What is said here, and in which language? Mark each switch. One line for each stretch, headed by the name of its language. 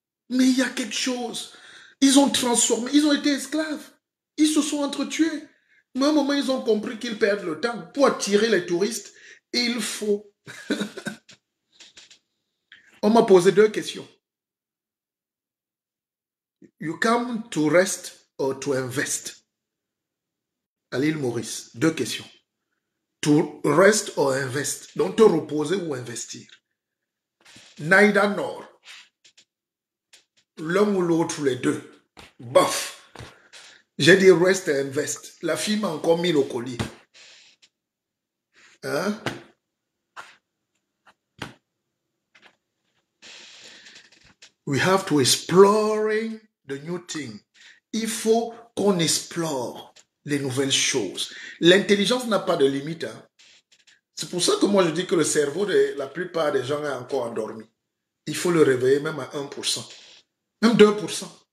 French: Mais il y a quelque chose. Ils ont transformé. Ils ont été esclaves. Ils se sont entretués. Mais à un moment, ils ont compris qu'ils perdent le temps. Pour attirer les touristes, il faut. On m'a posé deux questions.
English: You come to rest or to invest?
French: À l'île Maurice, deux questions.
English: To rest or invest?
French: Donc, te reposer ou investir?
English: Neither nor.
French: L'un ou l'autre, les deux. Bof. J'ai dit
English: rest and invest.
French: La fille m'a encore mis le collier. Hein?
English: We have to explore the new thing.
French: Il faut qu'on explore les nouvelles choses. L'intelligence n'a pas de limite. Hein. C'est pour ça que moi je dis que le cerveau de la plupart des gens est encore endormi. Il faut le réveiller même à 1%. Même 2%.